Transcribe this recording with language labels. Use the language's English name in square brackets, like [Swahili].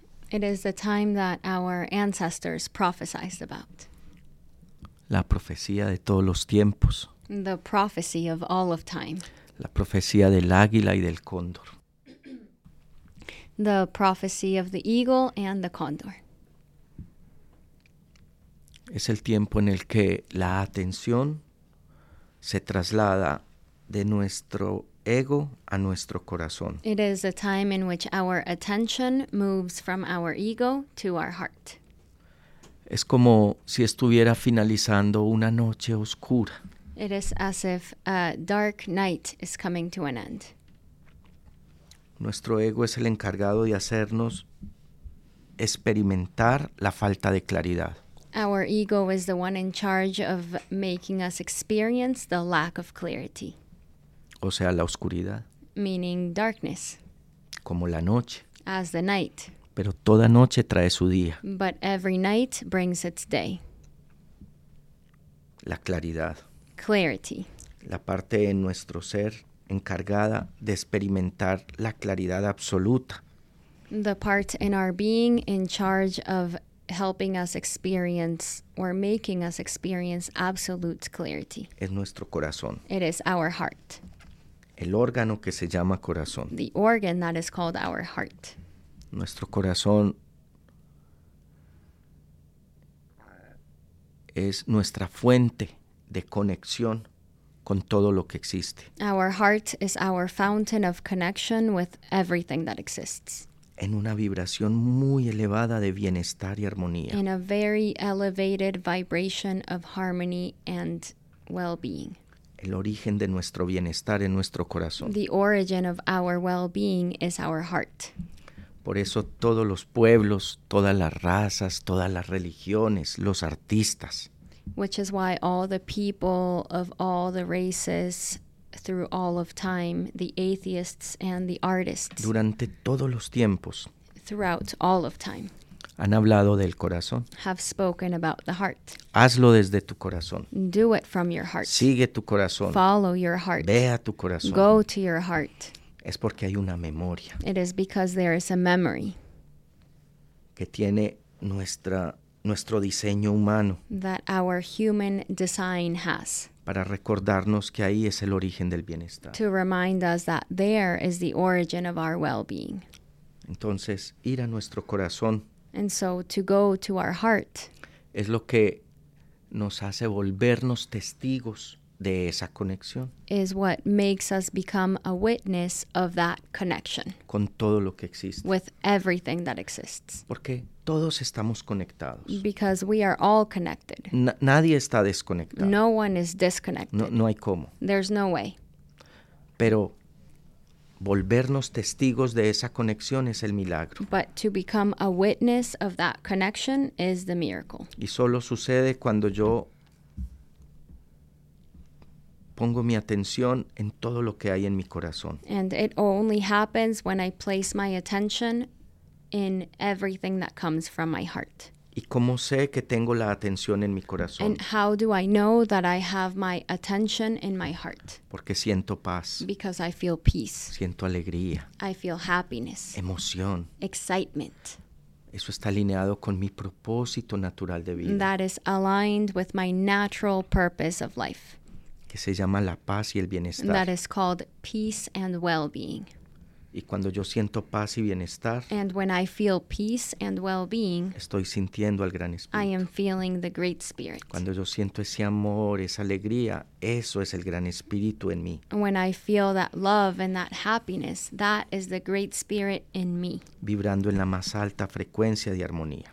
[English] It is the time that our ancestors prophesied about. [Spanish] La profecía de todos los tiempos. [English] The prophecy of all of time. [Spanish] La profecía del águila y del cóndor. [English] The prophecy of the eagle and the condor. [Spanish] Es el tiempo en el que la atención se traslada de nuestro ego a nuestro corazón. [English] It is a time in which our attention moves from our ego to our heart. [Spanish] Es como si estuviera finalizando una noche oscura. [English] It is as if a dark night is coming to an end. [Spanish] Nuestro ego es el encargado de hacernos experimentar la falta de claridad. [English] Our ego is the one in charge of making us experience the lack of clarity. [Spanish] O sea, la oscuridad. [English] Meaning darkness. [Spanish] Como la noche. [English] As the night. [Spanish] Pero toda noche trae su día. [English] But every night brings its day. [Spanish] La claridad. [English] Clarity. [Spanish] La parte de nuestro ser encargada de experimentar la claridad absoluta. [English] The part in our being in charge of helping us experience or making us experience absolute clarity. [Spanish] Es nuestro corazón. [English] It is our heart. [Spanish] El órgano que se llama corazón. [English] The organ that is called our heart. [Spanish] Nuestro corazón es nuestra fuente de conexión con todo lo que existe. [English] Our heart is our fountain of connection with everything that exists. [Spanish] En una vibración muy elevada de bienestar y armonía. [English] In a very elevated vibration of harmony and well-being. [Spanish] El origen de nuestro bienestar en nuestro corazón. [English] The origin of our well-being is our heart. [Spanish] Por eso todos los pueblos, todas las razas, todas las religiones, los artistas. [English] Which is why all the people of all the races through all of time, the atheists and the artists. [Spanish] Durante todos los tiempos. [English] Throughout all of time. [Spanish] Han hablado del corazón. [English] Have spoken about the heart. [Spanish] Hazlo desde tu corazón. [English] Do it from your heart. [Spanish] Sigue tu corazón. [English] Follow your heart. [Spanish] Ve a tu corazón. [English] Go to your heart. [Spanish] Es porque hay una memoria. [English] It is because there is a memory. [Spanish] Que tiene nuestro diseño humano. [English] That our human design has. [Spanish] Para recordarnos que ahí es el origen del bienestar. [English] To remind us that there is the origin of our well-being. [Spanish] Entonces, ir a nuestro corazón. [English] And so to go to our heart. [Spanish] Es lo que nos hace volvernos testigos de esa conexión. [English] Is what makes us become a witness of that connection. [Spanish] Con todo lo que existe. [English] With everything that exists. [Spanish] Porque todos estamos conectados. [English] Because we are all connected. [Spanish] Nadie está desconectado. [English] No one is disconnected. [Spanish] No hay cómo. [English] There's no way. [Spanish] Pero volvernos testigos de esa conexión es el milagro. [English] But to become a witness of that connection is the miracle. [Spanish] Y solo sucede cuando yo pongo mi atención en todo lo que hay en mi corazón. [English] And it only happens when I place my attention in everything that comes from my heart. [Spanish] ¿Y cómo sé que tengo la atención en mi corazón? [English] And how do I know that I have my attention in my heart? [Spanish] Porque siento paz. [English] Because I feel peace. [Spanish] Siento alegría. [English] I feel happiness. [Spanish] Emoción. [English] Excitement. [Spanish] Eso está alineado con mi propósito natural de vida. [English] That is aligned with my natural purpose of life. [Spanish] Que se llama la paz y el bienestar. [English] That is called peace and well-being. [Spanish] Y cuando yo siento paz y bienestar, [English] and when I feel peace and well-being, [Spanish] estoy sintiendo al Gran Espíritu. [English] I am feeling the Great Spirit. [Spanish] Cuando yo siento ese amor, esa alegría, eso es el Gran Espíritu en mí. [English] When I feel that love and that happiness, that is the Great Spirit in me. [Spanish] Vibrando en la más alta frecuencia de armonía.